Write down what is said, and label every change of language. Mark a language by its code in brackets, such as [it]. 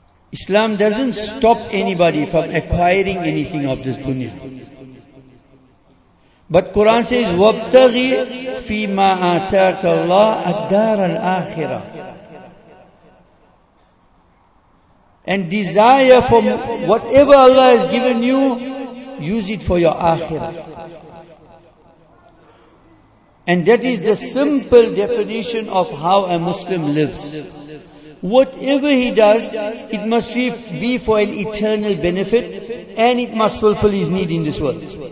[en] Islam doesn't stop anybody from acquiring anything of this dunya. But Quran says, [ar] وَابْتَغِي فِي مَا آتَاكَ اللَّهِ الدَّارَ الْآخِرَةِ. [en] And desire for whatever Allah has given you, use it for your akhirah. And that is the simple definition of how a Muslim lives. Whatever he does, it must be for an eternal benefit and it must fulfill his need in this world.